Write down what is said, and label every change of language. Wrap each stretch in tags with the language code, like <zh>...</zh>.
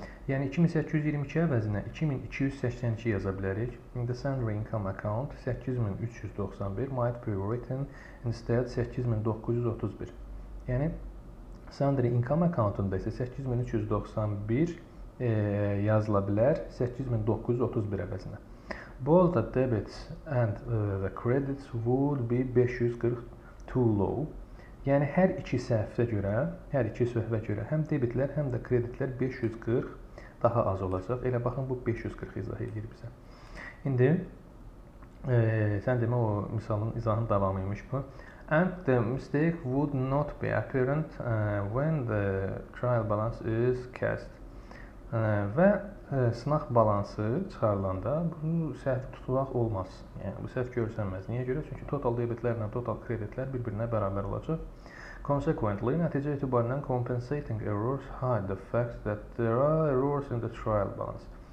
<az>Yəni 2822 əvəzinə 2282 yaza bilərik.</az> <en>In the salary income account 8391 might be written instead 8931.</en> <az>Yəni salary income accountunda isə 8391 yazıla bilər 8931 əvəzinə.</az> <en>Both the debits and the credits would be 540 too low.</en> <az>Yəni hər iki səhvə görə, hər iki səhvə görə həm debitlər, həm də kreditlər 540 daha az olacaq. Elə baxın, bu 540 izah edir bizə. İndi sən demə o misalın izahının davamı imiş bu.</az> <en>And the mistake would not be apparent when the trial balance is cast.</en> <az>Və sınaq balansı çıxarılanda bu səhv tutulaq olmaz. Yəni bu səhv görsənməz. Niyə görə? Çünki total debitlərlə total kreditlər bir-birinə bərabər olacaq.</az> <en>Consequently,</en> <az>nəticə itibarından compensating errors hide the fact that there are errors in the trial balance.</az>